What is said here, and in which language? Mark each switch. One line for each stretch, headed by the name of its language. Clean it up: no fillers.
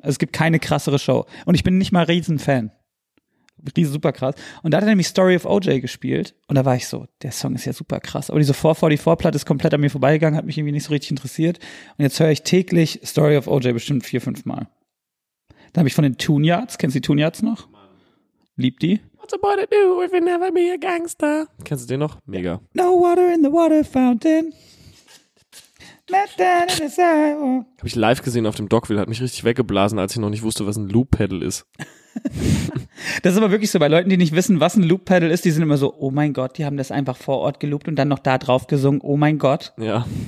German: Also es gibt keine krassere Show. Und ich bin nicht mal Riesenfan. Riesen super krass. Und da hat er nämlich Story of OJ gespielt. Und da war ich so, der Song ist ja super krass. Aber diese 444-Platte ist komplett an mir vorbeigegangen, hat mich irgendwie nicht so richtig interessiert. Und jetzt höre ich täglich Story of OJ bestimmt 4-5 Mal. Da habe ich von den Toon Yards, kennst du die Toon Yards noch? Lieb die.
English: What's a boy to do if you never be a gangster?
German: Kennst du den noch? Mega.
English: No water in the water fountain.
German: Habe ich live gesehen auf dem Dockville, hat mich richtig weggeblasen, als ich noch nicht wusste, was ein Loop Pedal ist. Das ist aber wirklich so, bei Leuten, die nicht wissen, was ein Loop Pedal ist, die sind immer so, oh mein Gott, die haben das einfach vor Ort geloopt und dann noch da drauf gesungen, oh mein Gott. Ja.